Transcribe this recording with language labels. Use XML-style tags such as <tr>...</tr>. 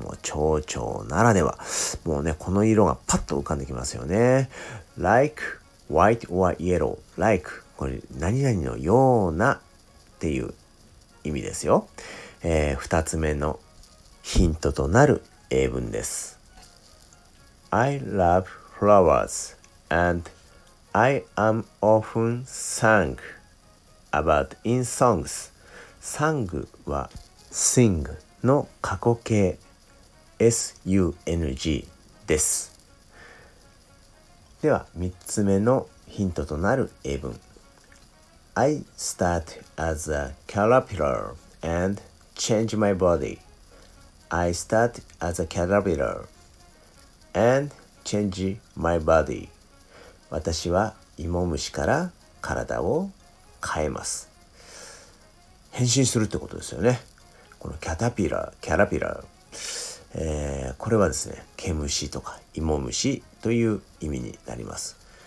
<ja>もう蝶々ならでは、もうねこの色がパッと浮かんできますよね。</ja> <en>like white or yellow like</en> <ja>これ何々のようなっていう意味ですよ。 2つ目のヒントとなる英文です。</ja> <en>I love flowers andI am often sung about in songs.</en> <ja>Sung は sing の過去形 SUNG です。では3つ目のヒントとなる英文。</ja> <en>I start as a caterpillar and change my body. I start as a caterpillar and change my body.</en> <ja>私は芋虫から体を変えます。変身するってことですよね。このキャタピラー、これはですね、毛虫とか芋虫という意味になります。</ja>